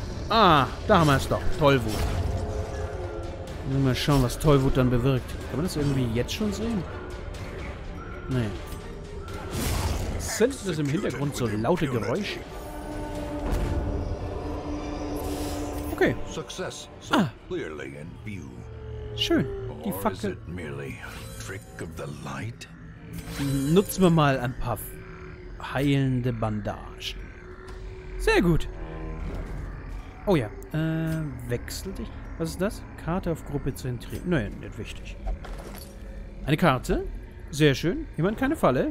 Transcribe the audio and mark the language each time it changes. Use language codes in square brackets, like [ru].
[de] Ah, da haben wir es doch. Tollwut. Mal schauen, was Tollwut dann bewirkt. Kann man das irgendwie jetzt schon sehen? Nee. Sind das im Hintergrund so laute Geräusche? [en] Success so clearly in view. [de] Schön. Die Fackel. [en] Is it merely a trick of the light? [de] Nutzen wir mal ein paar heilende Bandagen. Sehr gut. Oh ja. Wechsel dich. Was ist das? Karte auf Gruppe zentriert. Nein, nicht wichtig. Eine Karte. Sehr schön. Jemand keine Falle.